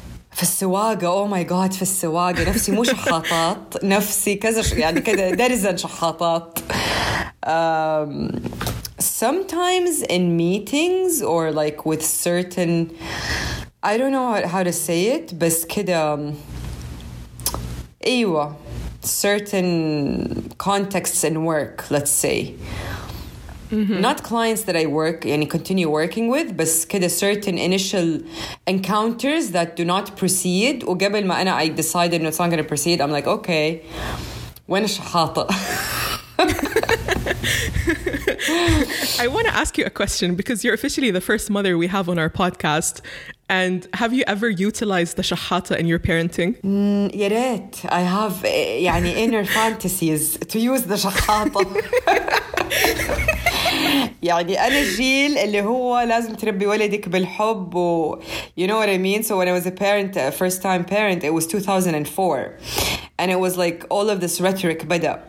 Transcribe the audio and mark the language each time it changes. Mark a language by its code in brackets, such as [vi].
[ar] في السواقة, [en] oh my god, [ar] في السواقة نفسي مو شحاطات, نفسي كذا يعني كذا درزن شحاطات. [en] Sometimes in meetings or like with certain, I don't know how to say it, [ar] بس كده أيوة, [en] certain contexts in work, let's say. Mm-hmm. Not clients that I work and continue working with, but [ar] كده [en] certain initial encounters that do not proceed. [ar] وقبل ما أنا [en] I decide [ar] إنه [en] it's not going to proceed, I'm like, okay, [ar] وين الشحاطة. [en] I want to ask you a question because you're officially the first mother we have on our podcast. And have you ever utilized the shahata in your parenting? Yeah, I have [ar] يعني [en] inner fantasies to use the shahata. [ar] يعني أنا الجيل اللي هو لازم تربي ولدك بالحب و [en] you know what I mean. So when I was a parent, a first time parent, it was 2004, and it was like all of this rhetoric [ar] بدأ.